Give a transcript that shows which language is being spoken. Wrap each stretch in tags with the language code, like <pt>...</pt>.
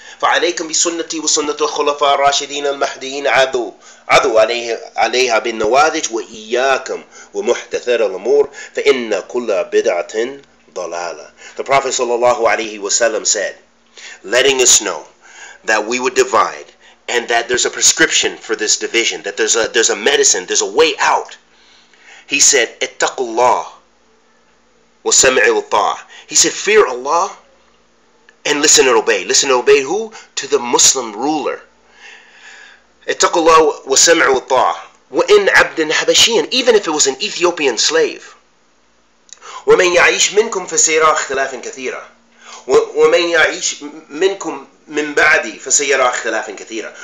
<ar>فعليكم بسنتي وسنة الخلفاء الراشدين المهديين عضوا عليها بالنواذج وإياكم ومحدثات الأمور فإن كل بدعة ضلالة.</ar> <en>The Prophet sallallahu alaihi wasallam said, letting us know that we would divide and that there's a prescription for this division, that there's a medicine, there's a way out. He said,</en> <ar>اتقوا الله وسمعوا الطاعة.</ar> <en>He said, fear Allah and listen and obey. Listen and obey who? To the Muslim ruler.</en> <ar>اتقوا الله وسمعوا الطاعة. وإن عبد حبشيا,</ar> <en>even if it was an Ethiopian slave.</en> <ar>ومن يعيش منكم فسيرى اختلافا كثيرا. ومن يعيش منكم من بعدي فسيرى اختلافا كثيرا.</ar>